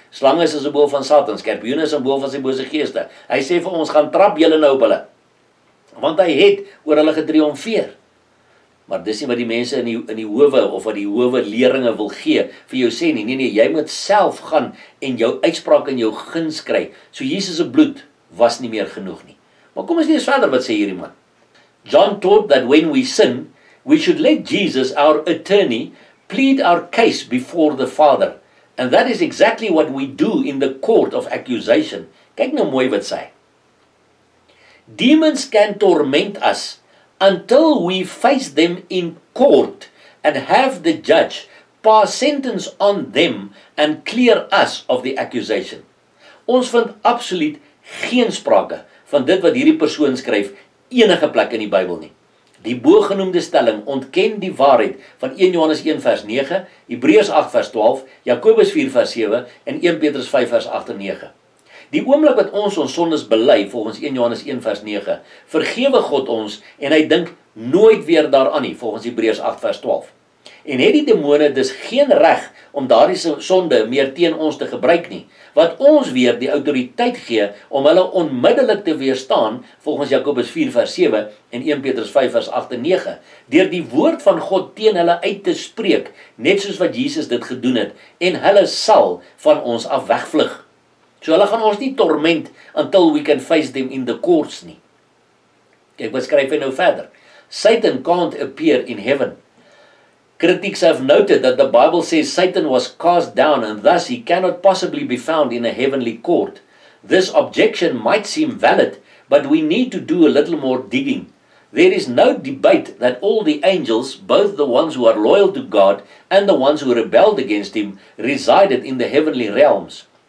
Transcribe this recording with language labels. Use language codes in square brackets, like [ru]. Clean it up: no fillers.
[af] Slange is 'n simbool van Satan, skorpioene is 'n simbool van sy bose geeste. Hy sê vir ons, gaan trap julle nou op hulle, want hy het oor hulle getriomfeer. Maar dis nie wat die mense in die howe of wat die howe leringe wil gee vir jou sê nie. Nee, jy moet self gaan en jou uitspraak in jou guns kry. So Jesus se bloed was nie meer genoeg nie. Maar kom ons lees verder wat sê hierdie man. [en] John taught that when we sin, we should let Jesus, our attorney, plead our case before the Father. And that is exactly what we do in the court of accusation. [af] Kyk nou mooi wat sê. [en] Demons can torment us until we face them in court and have the judge pass sentence on them and clear us of the accusation. [af] Ons vind absoluut geen sprake van dit wat hierdie persoon skryf enige plek in die Bybel nie. Die bogenoemde stelling ontken die waarheid van 1 Johannes 1 vers 9, Hebreërs 8 vers 12, Jakobus 4 vers 7 en 1 Petrus 5 vers 8 en 9. Die oomblik wat ons sondes bely volgens 1 Johannes 1 vers 9, vergewe God ons en hy dink nooit weer daaraan nie volgens Hebreërs 8 vers 12. en het die demone dus geen reg om daardie sonde meer teen ons te gebruik nie, wat ons weer die autoriteit gee om hulle onmiddellik te weerstaan, volgens Jakobus 4 vers 7 en 1 Petrus 5 vers 8 en 9, deur die woord van God teen hulle uit te spreek, net soos wat Jesus dit gedoen het, en hulle sal van ons af wegvlug. So hulle gaan ons nie [en] torment until we can face them in the courts [af] nie. Kijk, wat skryf hy nou verder? [en] Satan can't appear in heaven. Critics have noted that the Bible says Satan was cast down and thus he cannot possibly be found in a heavenly court. This objection might seem valid, but we need to do a little more digging. There is no debate that all the angels, both the ones who are loyal to God and the ones who rebelled against him, resided in the heavenly realms.